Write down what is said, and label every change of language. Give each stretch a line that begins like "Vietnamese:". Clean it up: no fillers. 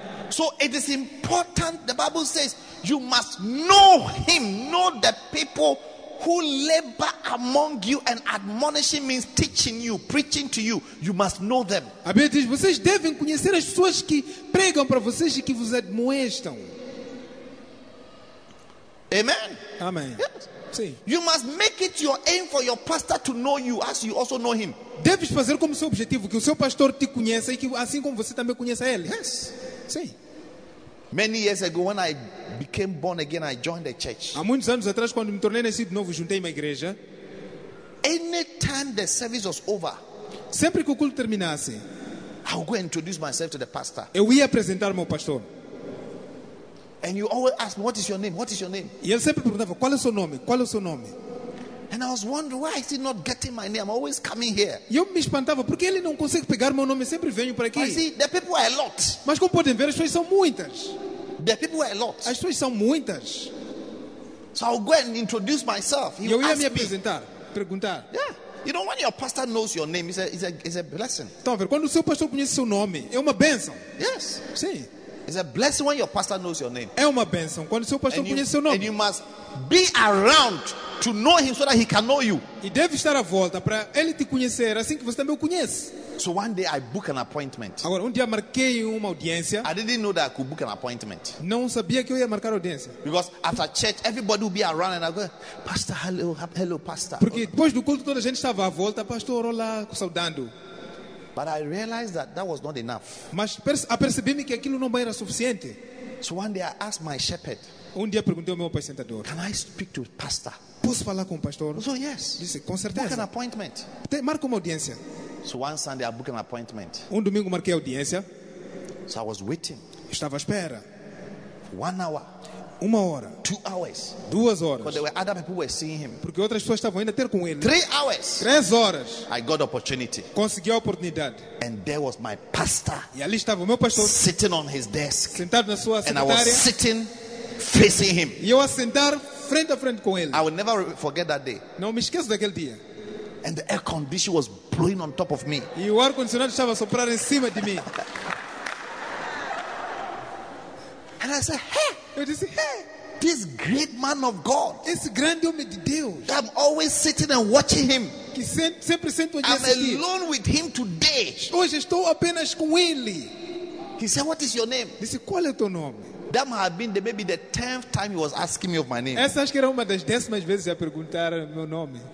English: So it is important, the Bible says, you must know him, know the people who labor among you, and admonishing means teaching you, preaching to you. You must know them.
Portuguese: A Bíblia diz, vocês devem conhecer as pessoas que pregam para vocês e que vos admoestam.
English: Amen.
Portuguese: Amém.
English: Yes.
Portuguese: Sim.
English: You must make it your aim for your pastor to know you as you also know him.
Portuguese: Deves fazer como seu objetivo que o seu pastor te conheça e que assim como você também conheça ele.
English: Yes.
Portuguese: Sim.
English: Many years ago, when I became born again, I joined the church.
Portuguese: Há muitos anos atrás, quando me tornei nascido de novo, juntei-me à igreja.
English: Anytime the service was over,
Portuguese: sempre que o culto terminasse,
English: I would go introduce myself to the pastor.
Portuguese: Eu ia apresentar-me ao pastor.
English: And you always ask me, "What is your name? What is your name?"
Portuguese: E ele sempre perguntava, "Qual é o seu nome? Qual é o seu nome?"
English: And I was wondering, why is he not getting my name? I'm always coming here.
Portuguese: E eu me espantava, porque ele não consegue pegar meu nome, sempre venho para aqui.
English: But see, the people are a lot.
Portuguese: Mas como podem ver, as pessoas são muitas.
English: The people are a lot.
Portuguese: As pessoas são muitas.
English: So I'll go and introduce myself.
Portuguese: E eu ia me apresentar, perguntar.
English: Yeah. You know, when your pastor knows your name, it's a blessing.
Portuguese: Então, ver, quando o seu pastor conhece seu nome, é uma bênção.
English: Yes.
Portuguese: Sim.
English: It's a blessing when your pastor knows your name.
Portuguese: É uma bênção quando seu pastor conhece seu nome.
English: And you must be around to know him so that he can know you.
Portuguese: E deve estar à volta para ele te conhecer assim que você também o conhece.
English: So one day I book an appointment.
Portuguese: Agora dia marquei uma audiência.
English: I didn't know that I could book an appointment.
Portuguese: Não sabia que eu ia marcar audiência.
English: Because after church everybody would be around and I go, "Pastor, hello pastor."
Portuguese: Porque depois do culto toda a gente estava à volta, pastor, olá, saudando.
English: But I realized that was not enough.
Portuguese: Mas apercebi-me que aquilo não era suficiente.
English: So one day I asked my shepherd.
Portuguese: Dia perguntei ao meu apresentador.
English: Can I speak to pastor?
Portuguese: Posso falar com o pastor?
English: So yes.
Portuguese: Disse, com certeza.
English: Book an appointment.
Portuguese: Marca uma audiência.
English: So one Sunday I booked an appointment.
Portuguese: Domingo marquei a audiência.
English: So I was waiting.
Portuguese: Estava à espera.
English: 1 hour.
Portuguese: 1 hora.
English: 2 hours.
Portuguese: 2 horas.
English: Because there were other people were seeing him.
Portuguese: Porque outras pessoas estavam indo ter com ele.
English: 3 hours.
Portuguese: 3 horas.
English: I got opportunity.
Portuguese: Consegui a oportunidade.
English: And there was my pastor.
Portuguese: E ali estava o meu pastor.
English: Sitting on his desk.
Portuguese: Sentado na sua secretária.
English: And I was sitting facing him.
Portuguese: E eu a sentar frente a frente com ele.
English: I will never forget that day.
Portuguese: Não me esqueço daquele dia.
English: And the air conditioner was blowing on top of me.
Portuguese: E o ar condicionado estava a soprar em cima de mim.
English: And I said, "Hey,
Portuguese: eu disse, hey,
English: this great man of God,
Portuguese: esse grande homem de Deus,
English: I'm always sitting and watching him.
Portuguese: Que sempre sento a
English: I'm alone with him today.
Portuguese: Hoje estou apenas com ele."
English: He said, "What is your name?"
Portuguese: Disse, qual é o teu nome?
English: That might have been maybe the 10th time he was asking me of my name.
Portuguese: Essa acho que era uma das décimas vezes a perguntar meu nome.